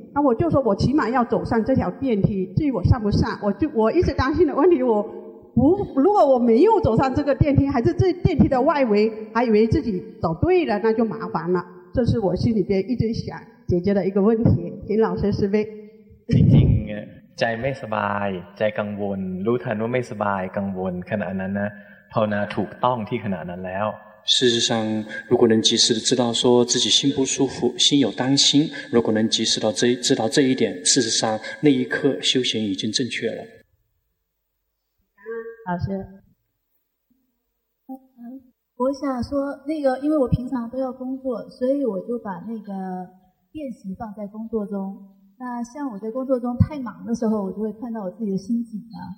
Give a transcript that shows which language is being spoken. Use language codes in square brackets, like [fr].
[zh] 那我就说我起码要走上这条电梯，至于我上不上，我一直担心的问题，如果我没有走上这个电梯，还是这电梯的外围，还以为自己走对了，那就麻烦了。这是我心里边一直想解决的一个问题，请老师示威。 [th] จริงๆ ใจไม่สบาย ใจกังวล รู้ทันว่าไม่สบาย กังวล ขณะนั้นนะภาวนาถูกต้องที่ขนาดนั้นแล้ว [zh] 事实上如果能及时的知道说自己心不舒服心有担心如果能及时到知道这一点事实上那一刻修行已经正确了老师我想说那个因为我平常都要工作所以我就把那个练习放在工作中那像我在工作中太忙的时候我就会看到我自己的心紧了